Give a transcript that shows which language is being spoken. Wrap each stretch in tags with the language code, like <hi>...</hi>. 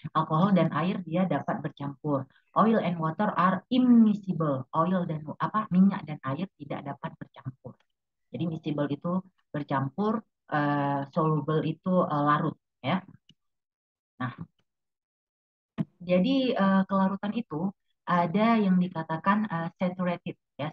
<id>Alkohol dan air dia dapat bercampur.</id> <en>Oil and water are immiscible.</en> <id>Oil dan apa minyak dan air tidak dapat bercampur. Jadi miscible itu bercampur, soluble itu larut, ya. Nah, jadi kelarutan itu ada yang dikatakan saturated, ya.</id>